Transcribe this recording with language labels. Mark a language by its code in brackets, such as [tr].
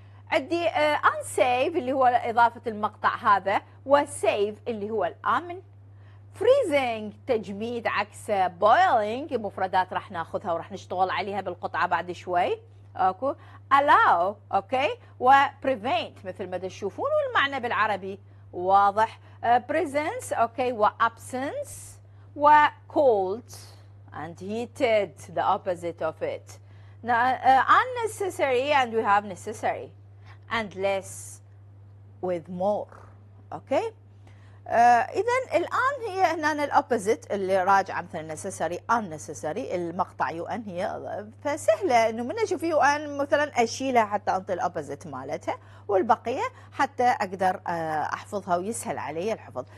[ar] عندي unsafe اللي هو إضافة المقطع هذا، وsafe اللي هو الآمن. freezing تجميد عكس boiling، مفردات راح ناخذها وراح نشتغل عليها بالقطعه بعد شوي. اكو allow اوكي وprevent مثل ما تشوفون والمعنى بالعربي واضح. [en] presence okay وabsence وcold and heated the opposite of it. unnecessary and we have necessary and less with more. [ar] اوكي إذا الآن هي هنا الأوبوزيت اللي راجعة مثل necessary unnecessary، المقطع يو ان هي فسهلة إنه من أشوف يو ان مثلا أشيلها حتى أنطي الأوبوزيت مالتها والبقية حتى أقدر أحفظها ويسهل علي الحفظ.